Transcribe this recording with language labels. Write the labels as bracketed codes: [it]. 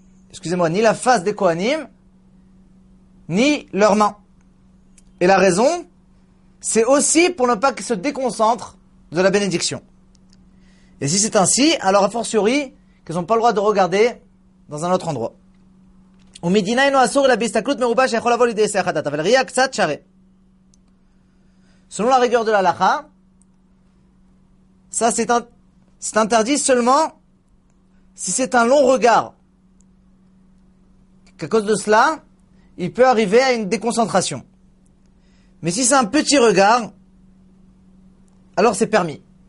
[fr] Excusez-moi, ni la face des Kohanim, ni leurs mains. Et la raison, c'est aussi pour ne pas qu'ils se déconcentrent de la bénédiction. Et si c'est ainsi, alors a fortiori qu'ils n'ont pas le droit de regarder dans un autre endroit. [he] ומדינה אינו אסור אלא בהסתכלות מרובה שיכול לבוא לידי עשה אחת, אבל ראייה קצת שרה. [fr] Selon la rigueur de l'alakha, ça c'est interdit seulement si c'est un long regard, qu'à cause de cela, il peut arriver à une déconcentration. Mais si c'est un petit regard, alors c'est permis.